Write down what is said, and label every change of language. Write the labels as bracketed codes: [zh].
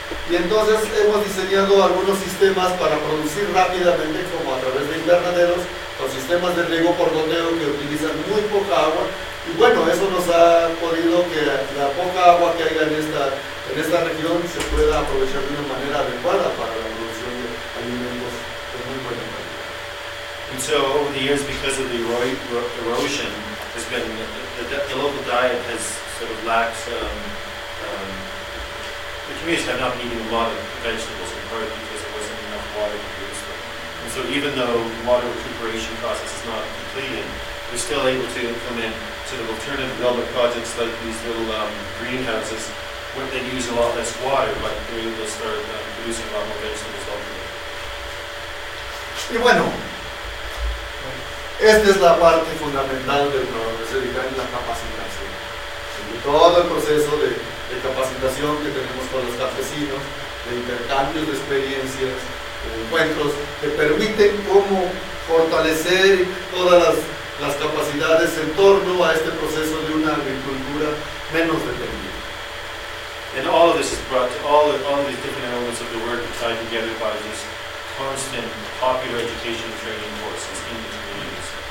[es] Y entonces hemos diseñado algunos sistemas para producir rápidamente, como a través de invernaderos, con sistemas de riego por goteo que utilizan muy poca agua. Y bueno, eso nos ha podido que la poca agua que haya en esta región se pueda aprovechar de una manera adecuada para la producción de alimentos de muy buena calidad. [en] And so, over the years, because of the erosion, the local diet has sort of lacks, the communities have not been eating a lot of vegetables in part because there wasn't enough water to produce them. And so even though the water recuperation process is not completed, we're still able to implement sort of alternative development projects like these little greenhouses where they use a lot less water, but they're able to start producing a lot more vegetables locally. [es] Y bueno, esta es la parte fundamental del proceso de la capacitación. Todo el proceso de capacitación que tenemos con los campesinos, de intercambios de experiencias, de encuentros, que permiten cómo fortalecer todas las capacidades en torno a este proceso de una agricultura menos dependiente. [en] And all of this is brought to all these different elements of the work tied together by this constant popular education training courses in the communities.